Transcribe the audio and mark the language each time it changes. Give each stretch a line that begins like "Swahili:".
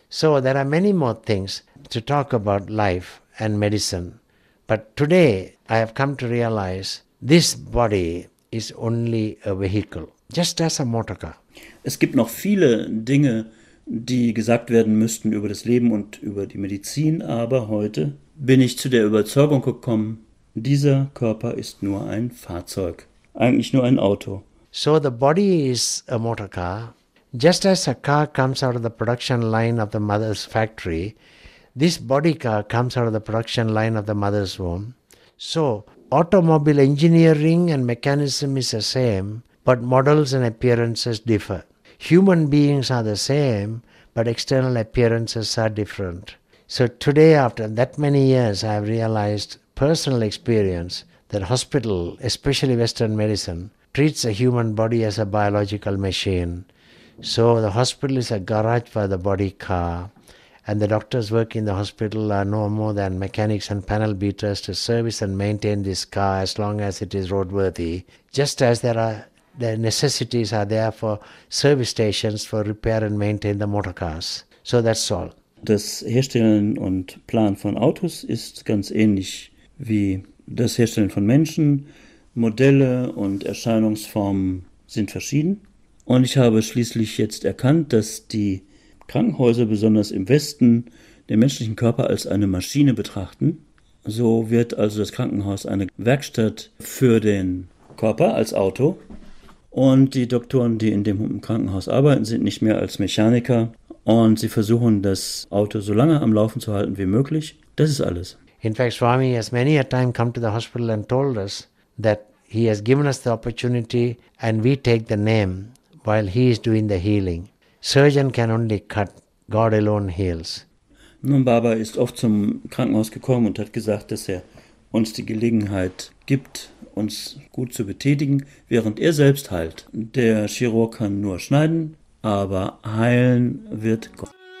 English: So, there are many more things to talk about life and medicine. But today, I have come to realize, this body is only a vehicle, just as a motor car.
German: Es gibt noch viele Dinge, die gesagt werden müssten über das Leben und über die Medizin, aber heute bin ich zu der Überzeugung gekommen, dieser Körper ist nur ein Fahrzeug, eigentlich nur ein Auto.
English: So the body is a motor car. Just as a car comes out of the production line of the mother's factory, this body car comes out of the production line of the mother's womb. So automobile engineering and mechanism is the same, but models and appearances differ. Human beings are the same, but external appearances are different. So today, after that many years, I have realized personal experience that hospital, especially Western medicine, treats a human body as a biological machine. So the hospital is a garage for the body car, and the doctors working in the hospital are no more than mechanics and panel beaters to service and maintain this car as long as it is roadworthy, just as the necessities are there for service stations for repair and maintain the motor cars. So that's all.
German: Das Herstellen und Plan von Autos ist ganz ähnlich wie das Herstellen von Menschen. Modelle und Erscheinungsformen sind verschieden. Und ich habe schließlich jetzt erkannt, dass die Krankenhäuser, besonders im Westen, den menschlichen Körper als eine Maschine betrachten. So wird also das Krankenhaus eine Werkstatt für den Körper als Auto. Und die Doktoren, die in dem Krankenhaus arbeiten, sind nicht mehr als Mechaniker. Und sie versuchen, das Auto so lange am Laufen zu halten wie möglich. Das ist alles.
English: In fact, Swami has many a time come to the hospital and told us that he has given us the opportunity and we take the name while he is doing the healing. Surgeon can only cut, God alone heals.
German: Nun, Baba ist oft zum Krankenhaus gekommen und hat gesagt, dass er uns die Gelegenheit gibt, uns gut zu betätigen, während er selbst heilt. Der Chirurg kann nur schneiden, aber heilen wird Gott.